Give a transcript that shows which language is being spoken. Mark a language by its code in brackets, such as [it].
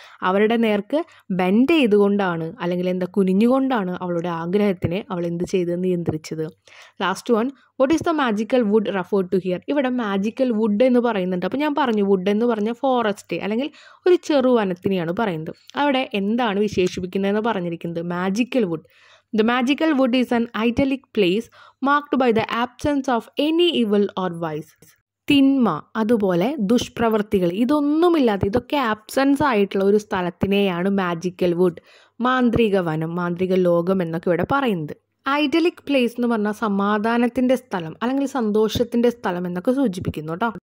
[ml] അവരുടെ നേർക്ക് ബെൻഡ് ചെയ്തുകൊണ്ടാണ്, അല്ലെങ്കിൽ എന്താ കുനിഞ്ഞുകൊണ്ടാണ് അവളുടെ ആഗ്രഹത്തിനെ അവൾ എന്ത് ചെയ്ത് നിയന്ത്രിച്ചത്. [en] Last one, what is the magical wood referred to here. [ml] ഇവിടെ മാജിക്കൽ വുഡ് എന്ന് പറയുന്നുണ്ട്. അപ്പോൾ ഞാൻ പറഞ്ഞു വുഡ് എന്ന് പറഞ്ഞാൽ ഫോറസ്റ്റ് അല്ലെങ്കിൽ ഒരു ചെറു വനത്തിനെയാണ് പറയുന്നത്. അവിടെ എന്താണ് വിശേഷിപ്പിക്കുന്നതെന്ന് പറഞ്ഞിരിക്കുന്നത് magical would. [en] The magical wood is an idyllic place marked by the absence of any evil or vice. [ml] തിന്മ, അതുപോലെ ദുഷ്പ്രവൃത്തികൾ, ഇതൊന്നുമില്ലാതെ ഇതൊക്കെ ആബ്സെൻസ് ആയിട്ടുള്ള ഒരു സ്ഥലത്തിനെയാണ് മാജിക്കൽ വുഡ്, മാന്ത്രിക വനം, മാന്ത്രിക ലോകം എന്നൊക്കെ ഇവിടെ പറയുന്നത്. ഐഡലിക് പ്ലേസ് എന്ന് പറഞ്ഞാൽ സമാധാനത്തിൻ്റെ സ്ഥലം അല്ലെങ്കിൽ സന്തോഷത്തിൻ്റെ സ്ഥലം എന്നൊക്കെ സൂചിപ്പിക്കുന്നു കേട്ടോ.